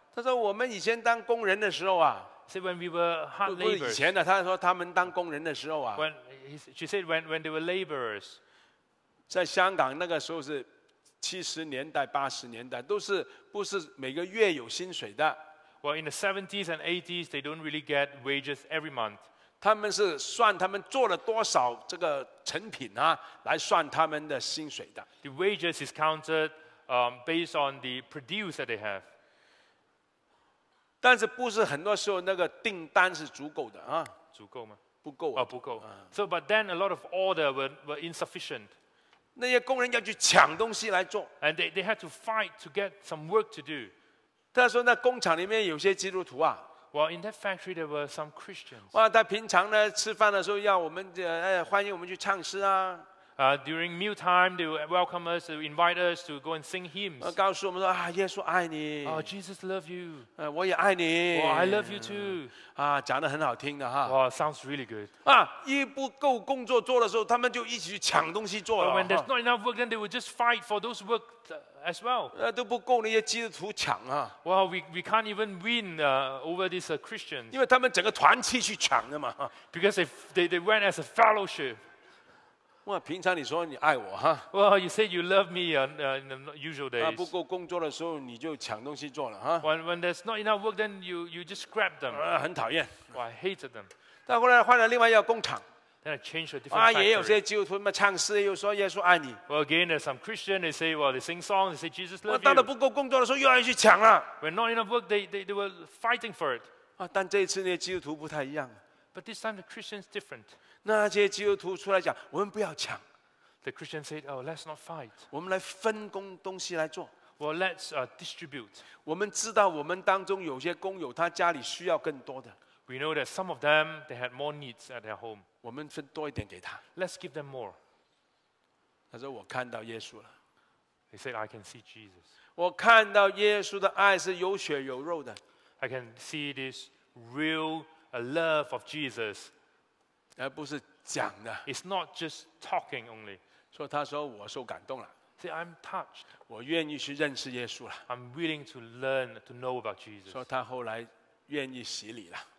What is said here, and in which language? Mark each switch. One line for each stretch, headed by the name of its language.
Chinese: 他说我们以前当工人的时候啊。
English: Said when we were hard laborers.
Chinese: 不是以前的，他说他们当工人的时候啊。
English: She said when they were laborers.
Chinese: 在香港那个时候是70年代、80年代，都是不是每个月有薪水的
English: ？Well, in the 70s and 80s, they don't really get wages every month.
Chinese: 他们是算他们做了多少这个成品啊，来算他们的薪水的。
English: The wages is counted, based on the produce that they have.
Chinese: 但是不是很多时候那个订单是足够的啊？足够吗？不够啊，不够。
English: So, but then a lot of order were insufficient.
Chinese: 那些工人要去抢东西来做。
English: And they had to fight to get some work to do.
Chinese: 他说那工厂里面有些基督徒啊。
English: Well, in that factory, there were some Christians.
Chinese: 哇，他平常呢吃饭的时候要我们欢迎我们去唱诗啊。
English: During meal time, they would welcome us, invite us to go and sing hymns.
Chinese: 告诉我们说啊，耶稣爱你。
English: Oh, Jesus loves you.
Chinese: 我也爱你。
English: Well, I love you too.
Chinese: 啊，讲得很好听的哈。
English: Well, sounds really good.
Chinese: 啊，一不够工作做的时候，他们就一起去抢东西做了。
English: When there's not enough work, then they would just fight for those work. As well,
Chinese: 都不够那些基督徒抢啊
English: Well, we can't even win over these Christians.
Chinese: 因为他们整个团体去抢的嘛
English: Because they went as a fellowship.
Chinese: 哇，平常你说你爱我哈
English: Well, you said you love me in the usual days.
Chinese: 不够工作的时候你就抢东西做了哈
English: When there's not enough work, then you just grab them.
Chinese: 很讨厌
English: Well, I hated them.
Chinese: 但后来换了另外一个工厂
English: Then I changed a different factory.
Chinese: 也有些基督徒们唱诗，又说耶稣爱你。
English: Well, again, there's some Christian. They say, well, they sing songs. They say Jesus loves you.
Chinese: 当了不够工作的时候，又要去抢了。
English: When not enough work, they were fighting for it.
Chinese: 但这一次那些基督徒不太一样。
English: But this time the Christians different.
Chinese: 那些基督徒出来讲，我们不要抢。
English: The Christian said, oh, let's not fight.
Chinese: 我们来分工东西来做。
English: Well, let's distribute.
Chinese: 我们知道我们当中有些工友，他家里需要更多的。
English: We know that some of them they had more needs at their home.
Chinese: 我们分多一点给他。
English: Let's give them more.
Chinese: 他说我看到耶稣了。
English: He said I can see Jesus.
Chinese: 我看到耶稣的爱是有血有肉的。
English: I can see this real love of Jesus.
Chinese: 而不是讲的。
English: It's not just talking only.
Chinese: 所以他说我受感动了。
English: Say, I'm touched.
Chinese: 我愿意去认识耶稣了。
English: I'm willing to learn to know about Jesus.
Chinese: 说他后来愿意洗礼了。